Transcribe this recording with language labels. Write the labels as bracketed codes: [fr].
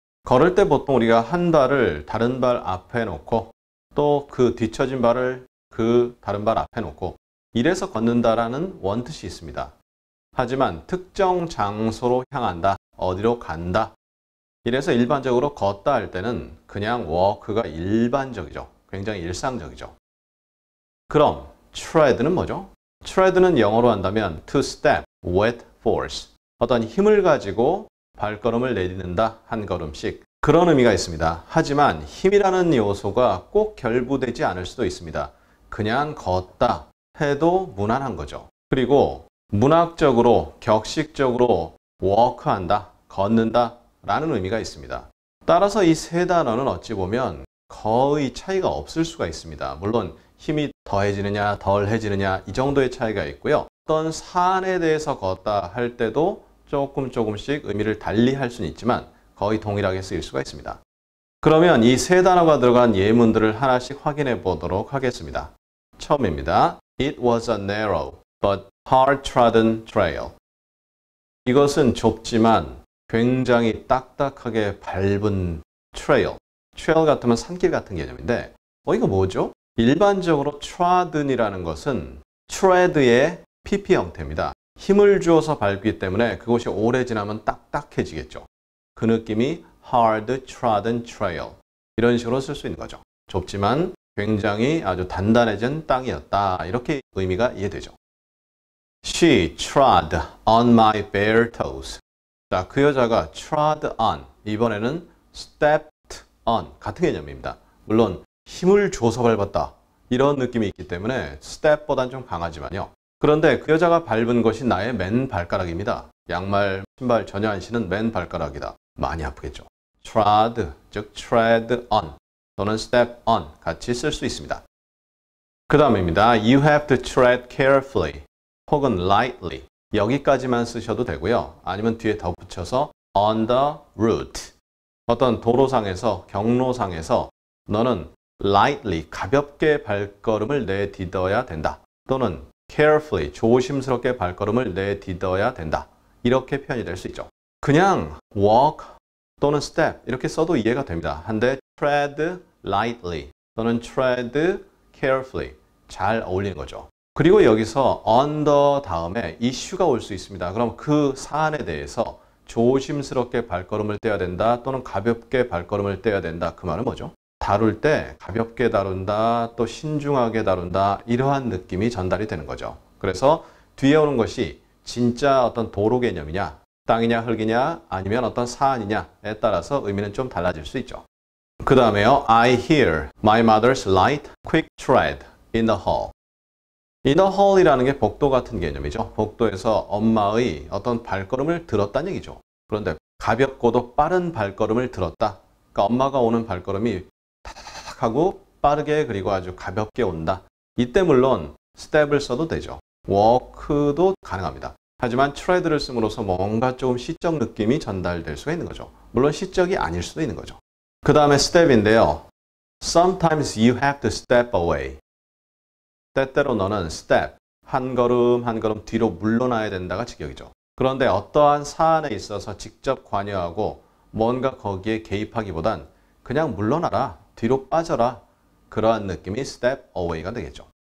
[ko] 걸을 때 보통 우리가 한 발을 다른 발 앞에 놓고 또 그 뒤처진 발을 그 다른 발 앞에 놓고 이래서 걷는다라는 원뜻이 있습니다. 하지만 특정 장소로 향한다, 어디로 간다. 이래서 일반적으로 걷다 할 때는 그냥 walk가 일반적이죠. 굉장히 일상적이죠. 그럼 tread는 뭐죠? [en] tread는 [ko] 영어로 한다면 [en] to step with force. [ko] 어떤 힘을 가지고 발걸음을 내딛는다, 한 걸음씩. 그런 의미가 있습니다. 하지만 힘이라는 요소가 꼭 결부되지 않을 수도 있습니다. 그냥 걷다 해도 무난한 거죠. 그리고 문학적으로, 격식적으로 walk한다, 걷는다 라는 의미가 있습니다. 따라서 이 세 단어는 어찌 보면 거의 차이가 없을 수가 있습니다. 물론 힘이 더해지느냐 덜해지느냐 이 정도의 차이가 있고요. 어떤 산에 대해서 걷다 할 때도 조금 조금씩 의미를 달리 할 수는 있지만 거의 동일하게 쓰일 수가 있습니다. 그러면 이 세 단어가 들어간 예문들을 하나씩 확인해 보도록 하겠습니다. 처음입니다. [en] It was a narrow but hard-trodden trail. [ko] 이것은 좁지만 굉장히 딱딱하게 밟은 trail. trail 같으면 산길 같은 개념인데 이거 뭐죠? 일반적으로 trodden이라는 것은 tread의 PP 형태입니다. 힘을 주어서 밟기 때문에 그곳이 오래 지나면 딱딱해지겠죠. [en] 그 느낌이 hard trodden trail. [ko] 이런 식으로 쓸 수 있는 거죠. 좁지만 굉장히 아주 단단해진 땅이었다. 이렇게 의미가 이해되죠. [en] She trod on my bare toes. [ko] 자, 그 여자가 trod on. 이번에는 stepped on. 같은 개념입니다. 물론 힘을 줘서 밟았다. 이런 느낌이 있기 때문에 step보단 좀 강하지만요. 그런데 그 여자가 밟은 것이 나의 맨 발가락입니다. 양말, 신발 전혀 안 신은 맨 발가락이다. 많이 아프겠죠. trod, 즉 [en] tread on [ko] 또는 [en] step on [ko] 같이 쓸 수 있습니다. 그 다음입니다. [en] You have to tread carefully [ko] 혹은 [en] lightly. [ko] 여기까지만 쓰셔도 되고요. 아니면 뒤에 덧붙여서 [en] on the route. [ko] 어떤 도로상에서, 경로상에서 너는 lightly, 가볍게 발걸음을 내딛어야 된다. 또는 carefully, 조심스럽게 발걸음을 내딛어야 된다. 이렇게 표현이 될 수 있죠. 그냥 walk 또는 step 이렇게 써도 이해가 됩니다. 한데 [en] tread lightly [ko] 또는 [en] tread carefully [ko] 잘 어울리는 거죠. 그리고 여기서 on the 다음에 issue가 올 수 있습니다. 그럼 그 사안에 대해서 조심스럽게 발걸음을 떼야 된다 또는 가볍게 발걸음을 떼야 된다. 그 말은 뭐죠? 다룰 때 가볍게 다룬다 또 신중하게 다룬다 이러한 느낌이 전달이 되는 거죠. 그래서 뒤에 오는 것이 진짜 어떤 도로 개념이냐 땅이냐 흙이냐 아니면 어떤 사안이냐에 따라서 의미는 좀 달라질 수 있죠. 그 다음에요. [en] I hear my mother's light quick tread in the hall. [ko] In the hall이라는 게 복도 같은 개념이죠. 복도에서 엄마의 어떤 발걸음을 들었다는 얘기죠. 그런데 가볍고도 빠른 발걸음을 들었다. 그러니까 엄마가 오는 발걸음이 타닥 하고 빠르게 그리고 아주 가볍게 온다. 이때 물론 step을 써도 되죠. walk도 가능합니다. 하지만 tread를 씀으로써 뭔가 조금 시적 느낌이 전달될 수가 있는 거죠. 물론 시적이 아닐 수도 있는 거죠. 그 다음에 step인데요. [en] Sometimes you have to step away. [ko] 때때로 너는 step, 한 걸음 한 걸음 뒤로 물러나야 된다가 직역이죠. 그런데 어떠한 사안에 있어서 직접 관여하고 뭔가 거기에 개입하기보단 그냥 물러나라, 뒤로 빠져라 그러한 느낌이 step away가 되겠죠.